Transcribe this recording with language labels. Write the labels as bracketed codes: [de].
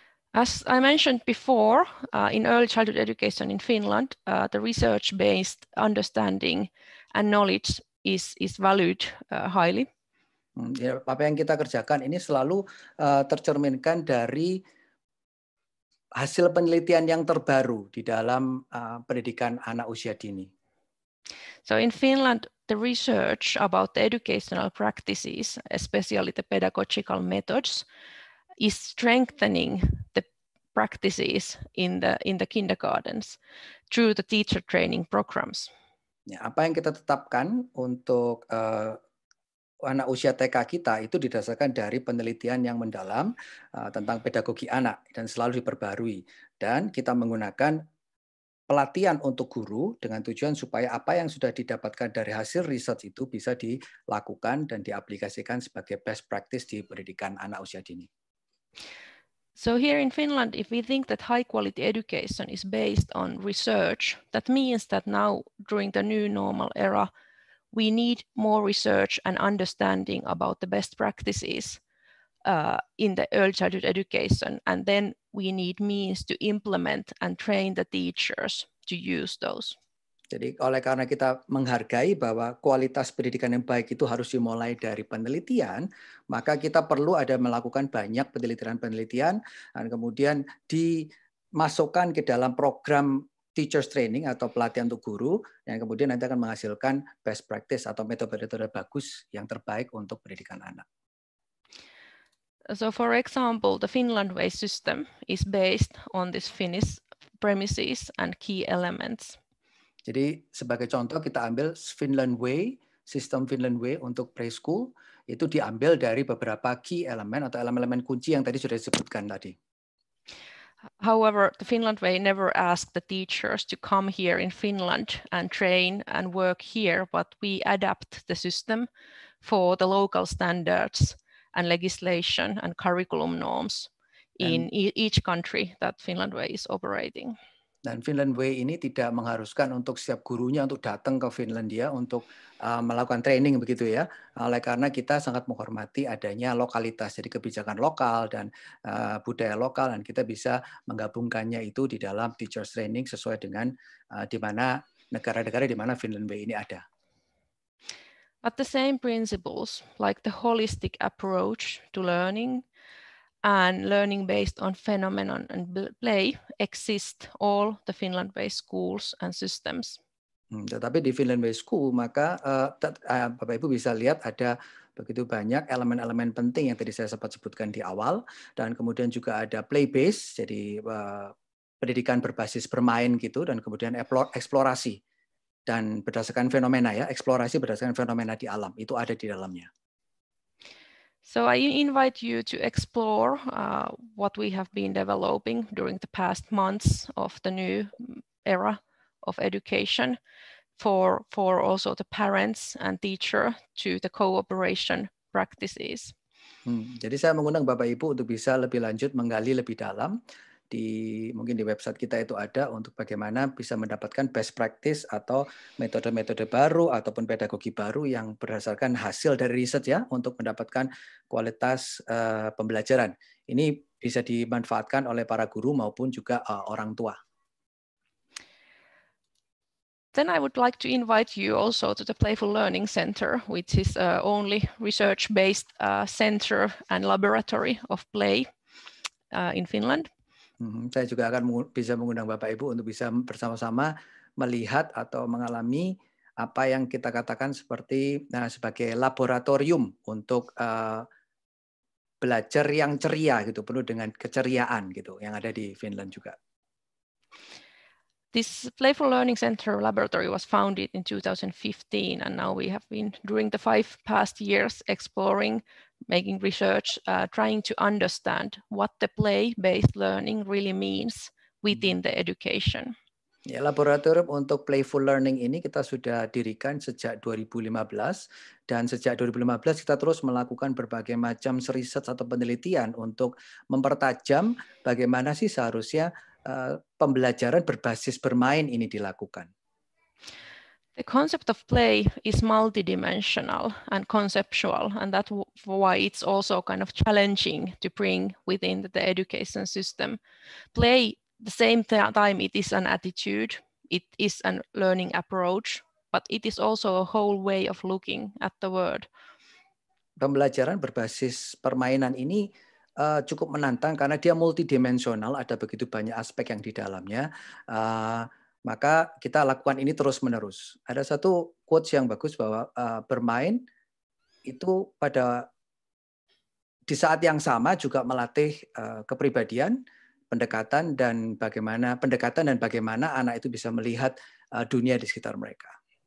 [en] As I mentioned before, in early childhood education in Finland, the research-based understanding and knowledge is valued highly. [id] Apa yang kita kerjakan ini selalu tercerminkan dari hasil penelitian yang terbaru di dalam pendidikan anak usia dini. [en] So in Finland, the research about the educational practices, especially the pedagogical methods, is strengthening the practices in the kindergartens through the teacher training programs. [id] Ya, apa yang kita tetapkan untuk anak usia TK kita itu didasarkan dari penelitian yang mendalam tentang pedagogi anak dan selalu diperbarui. Dan kita menggunakan pelatihan untuk guru dengan tujuan supaya apa yang sudah didapatkan dari hasil riset itu bisa dilakukan dan diaplikasikan sebagai [en] best practice [id] di pendidikan anak usia dini. [en] So here in Finland, if we think that high quality education is based on research, that means that now during the new normal era, we need more research and understanding about the best practices in the early childhood education, and then we need means to implement and train the teachers to use those. [id] Jadi oleh karena kita menghargai bahwa kualitas pendidikan yang baik itu harus dimulai dari penelitian, maka kita perlu ada melakukan banyak penelitian-penelitian dan kemudian dimasukkan ke dalam program [en] teacher training [id] atau pelatihan untuk guru yang kemudian nanti akan menghasilkan [en] best practice [id] atau metode-metode bagus yang terbaik untuk pendidikan anak. [en] So for example, the Finland way system is based on this Finnish premises and key elements. [id] Jadi sebagai contoh kita ambil Finland way, sistem Finland way untuk preschool itu diambil dari beberapa [en] key element [id] atau elemen-elemen kunci yang tadi sudah disebutkan tadi. [en] However, the Finland way never asked the teachers to come here in Finland and train and work here, but we adapt the system for the local standards and legislation and curriculum norms in each country that Finland way is operating. [id] Dan Finland way ini tidak mengharuskan untuk setiap gurunya untuk datang ke Finlandia untuk melakukan training begitu ya. Oleh karena kita sangat menghormati adanya lokalitas, jadi kebijakan lokal dan budaya lokal, dan kita bisa menggabungkannya itu di dalam [en] teacher training [id] sesuai dengan di mana negara-negara di mana Finland way ini ada. [en] But the same principles, like the holistic approach to learning and learning based on phenomenon and play, exist all the Finland way schools and systems. [id] Tetapi di Finland way school, maka Bapak Ibu bisa lihat ada begitu banyak elemen-elemen penting yang tadi saya sempat sebutkan di awal, dan kemudian juga ada [en] play based, [id] jadi pendidikan berbasis bermain gitu, dan kemudian eksplorasi dan berdasarkan fenomena ya, eksplorasi berdasarkan fenomena di alam itu ada di dalamnya. [en] So I invite you to explore what we have been developing during the past months of the new era of education for also the parents and teacher to the cooperation practices. [id] Jadi saya mengundang Bapak Ibu untuk bisa lebih lanjut menggali lebih dalam di mungkin di website kita itu ada untuk bagaimana bisa mendapatkan [en] best practice [id] atau metode-metode baru ataupun pedagogi baru yang berdasarkan hasil dari riset ya untuk mendapatkan kualitas pembelajaran. Ini bisa dimanfaatkan oleh para guru maupun juga orang tua. [en] Then I would like to invite you also to the Playful Learning Center, which is only research-based center and laboratory of play in Finland. [id] Saya juga akan bisa mengundang Bapak Ibu untuk bisa bersama-sama melihat atau mengalami apa yang kita katakan seperti sebagai laboratorium untuk belajar yang ceria gitu, penuh dengan keceriaan gitu yang ada di Finland juga. [en] This Playful Learning Center Laboratory was founded in 2015, and now we have been during the five past years exploring, making research, trying to understand what the play-based learning really means within the education. [id] Ya, laboratorium untuk [en] playful learning [id] ini kita sudah dirikan sejak 2015 dan sejak 2015 kita terus melakukan berbagai macam riset atau penelitian untuk mempertajam bagaimana sih seharusnya pembelajaran berbasis bermain ini dilakukan. [en] The concept of play is multidimensional and conceptual, and that's why it's also kind of challenging to bring within the education system. Play, the same time, it is an attitude, it is a learning approach, but it is also a whole way of looking at the world. [id] Pembelajaran berbasis permainan ini cukup menantang karena dia multidimensional, ada begitu banyak aspek yang di dalamnya. Maka kita lakukan ini terus-menerus. Ada satu quotes yang bagus bahwa bermain itu pada di saat yang sama juga melatih kepribadian, pendekatan dan bagaimana anak itu bisa melihat dunia di sekitar mereka.